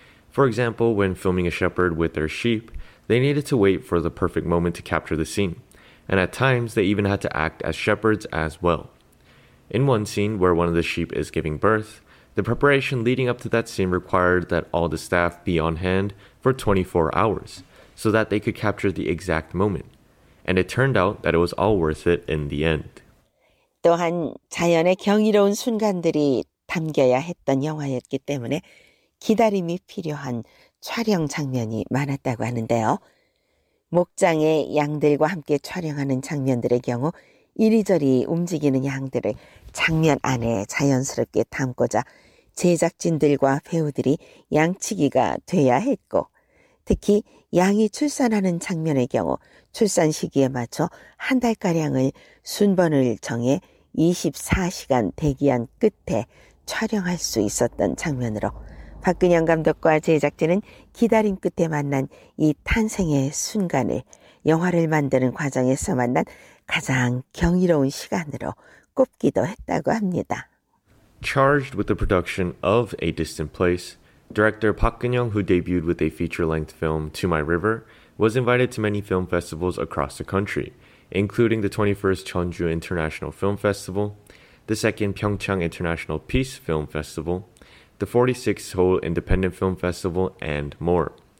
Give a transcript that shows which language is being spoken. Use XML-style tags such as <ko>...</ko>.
<en>For example, when filming a shepherd with their sheep, they needed to wait for the perfect moment to capture the scene, and at times they even had to act as shepherds as well. In one scene where one of the sheep is giving birth, the preparation leading up to that scene required that all the staff be on hand for 24 hours so that they could capture the exact moment. And it turned out that it was all worth it in the end.</en> <ko>또한 자연의 경이로운 순간들이 담겨야 했던 영화였기 때문에 기다림이 필요한 촬영 장면이 많았다고 하는데요. 목장에 양들과 함께 촬영하는 장면들의 경우 이리저리 움직이는 양들을 장면 안에 자연스럽게 담고자 제작진들과 배우들이 양치기가 돼야 했고, 특히 양이 출산하는 장면의 경우 출산 시기에 맞춰 한 달가량을 순번을 정해 24시간 대기한 끝에 촬영할 수 있었던 장면으로, 박근영 감독과 제작진은 기다림 끝에 만난 이 탄생의 순간을 영화를 만드는 과정에서 만난 가장 경이로운 시간으로 꼽기도 했다고 합니다.</ko> <en>Charged with the production of A Distant Place, director Park Geun-young, who debuted with a feature-length film To My River, was invited to many film festivals across the country, including the 21st Jeonju International Film Festival, the 2nd Pyeongchang International Peace Film Festival, the 46th Seoul Independent Film Festival, and more.</en>